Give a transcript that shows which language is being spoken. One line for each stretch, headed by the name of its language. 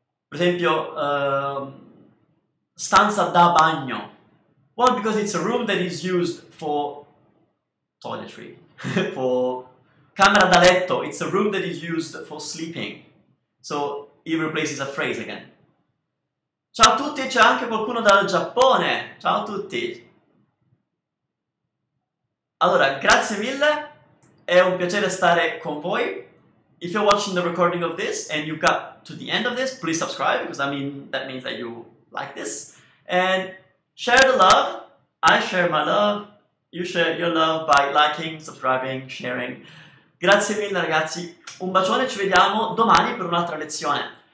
English: For example, stanza da bagno. Well, because it's a room that is used for toiletry, for camera da letto. It's a room that is used for sleeping. So it replaces a phrase again.
Italian: Ciao a tutti, c'è anche qualcuno dal Giappone. Ciao a tutti. Allora, grazie mille. È un piacere stare con voi.
English: If you're watching the recording of this and you got to the end of this, please subscribe, because I mean, that means that you like this. And share the love. I share my love. You share your love by liking, subscribing, sharing.
Italian: Grazie mille, ragazzi. Un bacione, ci vediamo domani per un'altra lezione.